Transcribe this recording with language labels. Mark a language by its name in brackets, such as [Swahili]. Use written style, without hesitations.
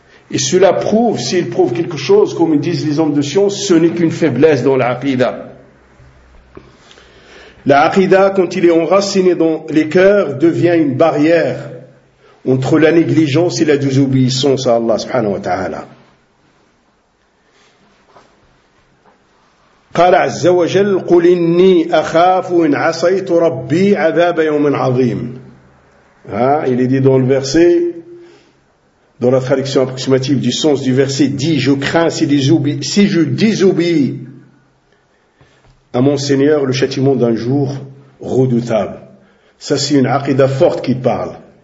[French] Et cela prouve, s'il prouve quelque chose, comme disent les hommes de science, ce n'est qu'une faiblesse dans l'aqida. L'aqida, quand il est enraciné dans les cœurs, devient une barrière entre la négligence et la désobéissance à Allah subhanahu wa ta'ala. [Arabic] قال عز وجل قل إني أخاف إن عصيت ربي عذاب يوم عظيم. [French] Il est dit dans le verset, dans la traduction approximative du sens du verset, dit: je crains si je désobéis à mon Seigneur le châtiment d'un jour redoutable. Ça, c'est une aqida forte qui parle.